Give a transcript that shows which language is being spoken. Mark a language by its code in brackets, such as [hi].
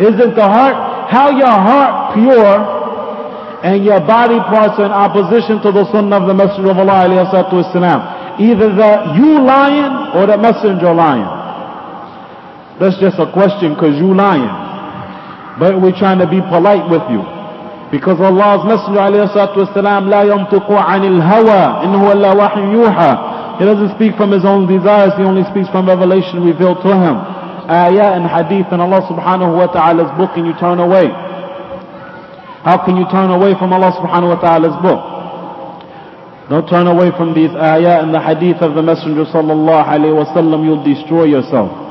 [en] Isn't the heart, how your heart pure and your body parts are in opposition to the Sunnah of the Messenger of Allah alayhi salatu wasalam? Either the you lying or the messenger lying. That's just a question, because you lying. But we're trying to be polite with you. Because Allah's Messenger alayhi salatu wasalam, [ar] لا ينطقوا عن الهوى إنه إلا وحي يوحى. [en] He doesn't speak from his own desires, he only speaks from revelation revealed to him. Ayah and hadith and Allah subhanahu wa ta'ala's book, can you turn away? How can you turn away from Allah subhanahu wa ta'ala's book? Don't turn away from these ayah and the hadith of the Messenger sallallahu alayhi wa sallam, you'll destroy yourself.